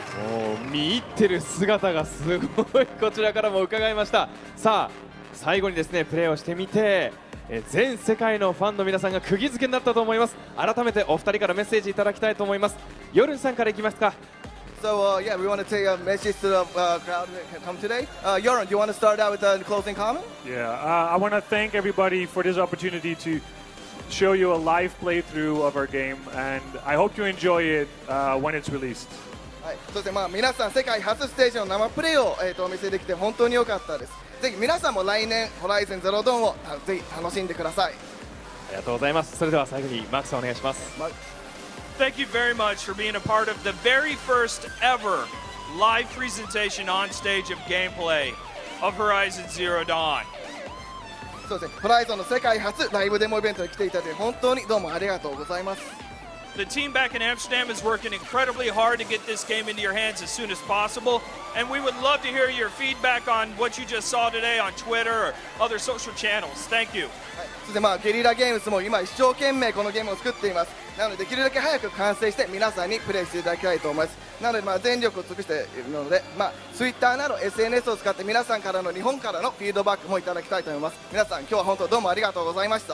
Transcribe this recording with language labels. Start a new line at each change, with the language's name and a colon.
Japanese: もう見入ってる姿がすごい、こちらからも伺いました。さあ最後にですね、プレイをしてみて全世界のファンの皆さんが釘付けになったと思います。改めてお二人からメッセージいただきたいと思います。ヨルンさんからいきますか。
English: So yeah, we want to take a message to the crowd that come today. Yoron, do you want to start out with a closing comment? Yeah, I want to thank everybody for this opportunity to show you a live playthrough of our game, and I hope you enjoy it when it's released.
Japanese: そして皆さん、世界初ステージの生プレイをお見せできて本当に良かったです。ぜひ皆さんも来年 Horizon Zero Dawn をぜひ楽しんでください。ありがとうございます。それでは最後にマックさんお願いします。
English: Thank you very much for being a part of the very first ever live presentation on stage of gameplay of Horizon Zero Dawn.
Japanese: そうですね、Horizon の世界初ライブデモイベントに来ていただいて本当にどうもありがとうございます。
English: The team back in Amsterdam is working incredibly hard to get this game into your hands as soon as possible. And we would love to hear your feedback on what you just saw today on Twitter or other social channels. Thank you.
Japanese: そして、まあ、ゲリラゲームズも今一生懸命このゲームを作っています。なので、できるだけ早く完成して皆さんにプレイしていただきたいと思います。なので、まあ、全力を尽くしているので、まあ、Twitter など SNS を使って皆さんからの日本からのフィードバックもいただきたいと思います。皆さん、今日は本当どうもありがとうございました。